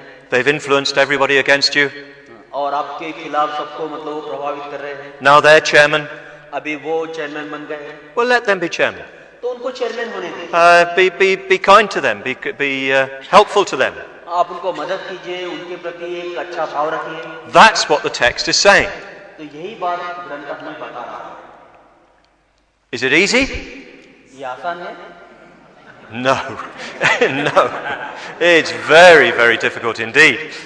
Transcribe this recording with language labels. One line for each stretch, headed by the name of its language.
English: They've influenced everybody against you.
Hindi: और आपके खिलाफ सबको मतलब प्रभावित कर रहे हैं.
English: Now they're chairman.
Hindi: अभी वो चेयरमैन बन गए हैं.
English: Well, let them be chairman.
Hindi: तो उनको चेयरमैन होने दें.
English: Be kind to them. Be helpful to them.
Hindi: आप उनको मदद कीजिए, उनके प्रति एक अच्छा भाव रखिए.
English: That's what the text is saying.
Hindi: तो यही बात ग्रंथ हमें बता रहा है.
English: Is it easy?
Hindi: ये आसान है?
English: No, no, it's very, very difficult indeed.